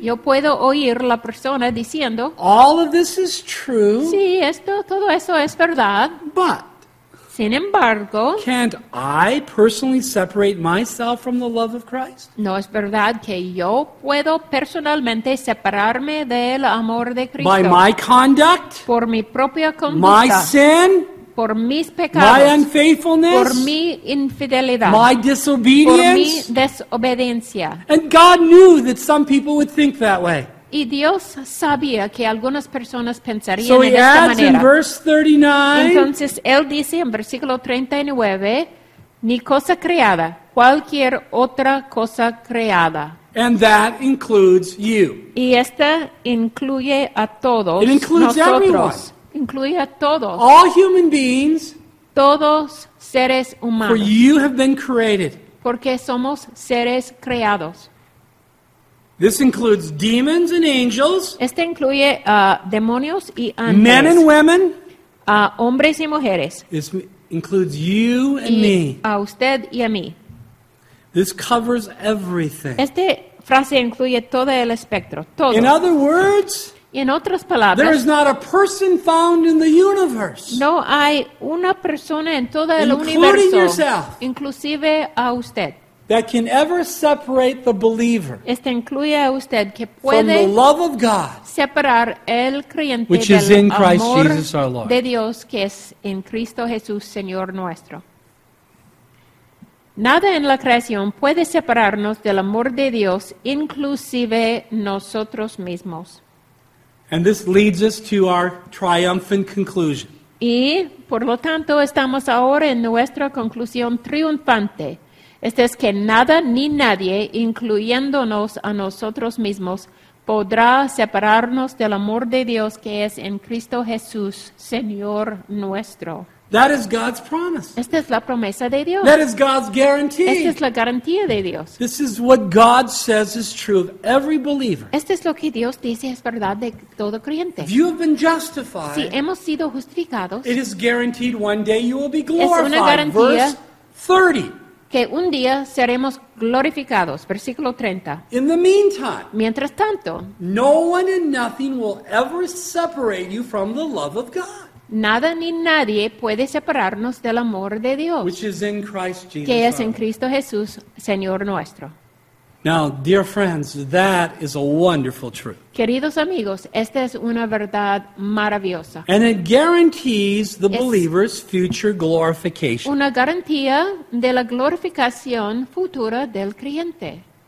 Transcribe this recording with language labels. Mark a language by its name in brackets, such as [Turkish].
[Spanish] yo puedo oír la persona diciendo, [English] all of this is true. [Spanish] Sí, esto, todo eso es verdad. [English] But, [Spanish] sin embargo, [English] can't I personally separate myself from the love of Christ? [Spanish] No es verdad que yo puedo personalmente separarme del amor de Cristo. [English] By my conduct? [Spanish] Por mi propia conducta. [English] My sin? [Spanish] Por mis pecados. [English] My unfaithfulness? [Spanish] Por mi infidelidad. [English] My disobedience? [Spanish] Por mi desobediencia. [English] And God knew that some people would think that way. [Spanish] Y Dios sabía que algunas personas pensarían [English] so [Spanish] de esta manera. [English] So he adds in verse 39. [Spanish] Entonces él dice en versículo 39, ni cosa creada, cualquier otra cosa creada. [English] And that includes you. [Spanish] Y esta incluye a todos. [English] It includes [Spanish] nosotros. [English] Everyone. [Spanish] Incluye a todos. [English] All human beings. [Spanish] Todos seres humanos. [English] For you have been created. [Spanish] Porque somos seres creados. [English] This includes demons and angels. [Spanish] Este incluye demonios y ángeles. [English] Men and women. [Spanish] Hombres y mujeres. [English] This includes you and me. [Spanish] A usted y a mí. [English] This covers everything. [Spanish] Esta frase incluye todo el espectro. Todo. [English] In other words, [Spanish] en otras palabras, [English] there is not a person found in the universe. [Spanish] No hay una persona en todo el [English] including [Spanish] universo. [English] Including yourself. [Spanish] Inclusive a usted. [English] That can ever separate the believer. [Spanish] Este incluye a usted que puede [English] from the love of God, [Spanish] separar el creyente [English] which [Spanish] del [English] is in Christ Jesus our Lord. [Spanish] De Dios que es en Cristo Jesús Señor nuestro. Nada en la creación puede separarnos del amor de Dios, inclusive nosotros mismos. [English] And this leads us to our triumphant conclusion. [Spanish] Y por lo tanto estamos ahora en nuestra conclusión triunfante. Este es que nada ni nadie, incluyéndonos a nosotros mismos, podrá separarnos del amor de Dios que es en Cristo Jesús, Señor nuestro. [English] That is God's promise. [Spanish] Esta es la promesa de Dios. [English] That is God's guarantee. [Spanish] Esta es la garantía de Dios. [English] This is what God says is true of every believer. [Spanish] Esto es lo que Dios dice es verdad de todo creyente. [English] If you have been justified, [Spanish] si hemos sido justificados, [English] it is guaranteed one day you will be glorified. [Spanish] Es una garantía. [English] Verse 30. [Spanish] Que un día seremos glorificados. Versículo 30. [English] In the meantime, [Spanish] mientras tanto, [English] no one and nothing will ever separate you from the love of God. [Spanish] Nada ni nadie puede separarnos del amor de Dios. [English] Which is in Christ Jesus. [Spanish] Que es en Cristo Jesús, Señor nuestro. [English] Now, dear friends, that is a wonderful truth. [Spanish] Queridos amigos, esta es una verdad maravillosa. [English] And it guarantees the believer's future glorification. [Spanish] Una garantía de la glorificación futura del creyente.